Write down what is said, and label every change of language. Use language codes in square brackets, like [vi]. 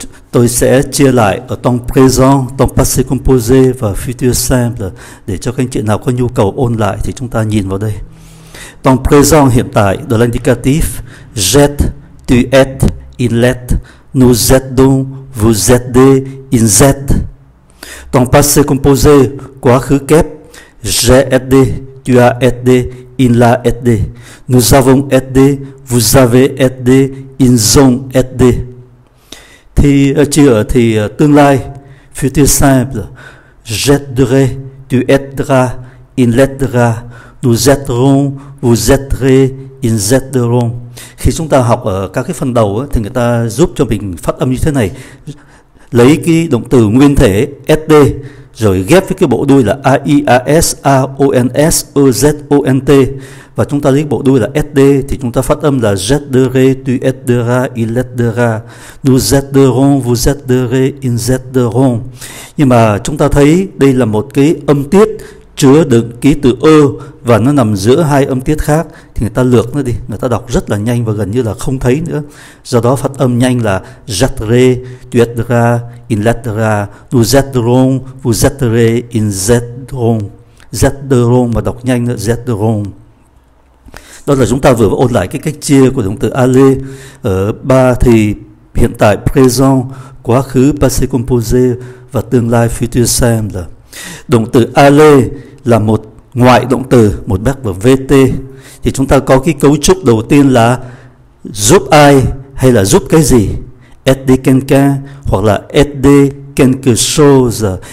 [vi] Tôi sẽ chia lại ở temps présent, temps passé composé và futur simple để cho các anh chị nào có nhu cầu ôn lại thì chúng ta nhìn vào đây. [fr] Temps présent [vi] hiện tại, [fr] de l'indicatif, j'êtes, tu es, il est, nous aidons, vous aidez, ils aident. Temps passé composé, [vi] quá khứ kép, [fr] j'ai aidé, tu as aidé, il a aidé, nous avons aidé, vous avez aidé, ils ont aidé. [vi] Thì chưa thì tương lai, [fr] futur simple, j'aiderai, tu aideras, il aidera, nous aiderons, vous aiderez, ils aideront. [vi] Khi chúng ta học ở các cái phần đầu ấy, thì người ta giúp cho mình phát âm như thế này, lấy cái động từ nguyên thể SD rồi ghép với cái bộ đuôi là AIASAONSEZONT, và chúng ta lấy bộ đuôi là SD thì chúng ta phát âm là [fr] j'aiderai, tu aideras, il aidera, nous aiderons, vous aiderez, ils aideront. [vi] Nhưng mà chúng ta thấy đây là một cái âm tiết chứa đựng ký tự ơ và nó nằm giữa hai âm tiết khác, thì người ta lược nó đi, người ta đọc rất là nhanh và gần như là không thấy nữa. Do đó phát âm nhanh là [fr] j'aiderai, tu aideras, il aidera, nous aiderons, vous aiderez, ils aideront. [vi] J'aiderons mà đọc nhanh nữa, j'aiderons. Đó là chúng ta vừa ôn lại cái cách chia của động từ aller ở ba thì hiện tại présent, quá khứ passé composé và tương lai futur simple. Động từ aller là một ngoại động từ, một bác vào VT. Thì chúng ta có cái cấu trúc đầu tiên là giúp ai hay là giúp cái gì, aider quelqu'un hoặc là aider quelque chose.